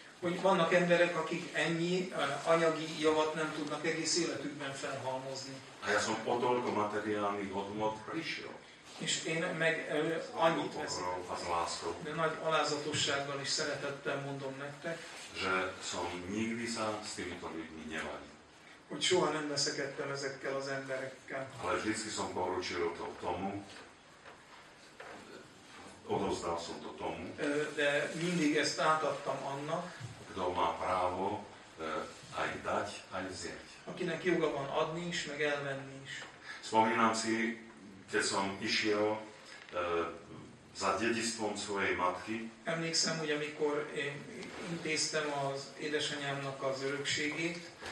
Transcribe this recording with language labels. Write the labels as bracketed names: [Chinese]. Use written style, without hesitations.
[Hungarian] Hogy vannak emberek, akik ennyi anyagi javat nem tudnak egész életükben felhalmozni. [Slovak] A ja som o toľko materiálnych hodnot prišiel. [Hungarian] És én meg annyit veszek, de nagy alázatossággal is szeretettel mondom nektek, [Slovak] že som nikdy sa s týmito ľuďmi nevadil. [Hungarian] Hogy soha nem veszekedtem ezekkel az emberekkel. [Slovak] Ale vždycky som poručil to tomu, odozdal som to tomu, [Hungarian] de mindig ezt átadtam annak, [Slovak] kdo má právo aj dať, aj vzieť. [Hungarian] Akinek joga van adni is, meg elvenni is. [Slovak] Spomínam si, keď som išiel za dedistvom svojej matky. [Hungarian] Emlékszem, hogy amikor én intéztem az édesanyámnak az örökségét.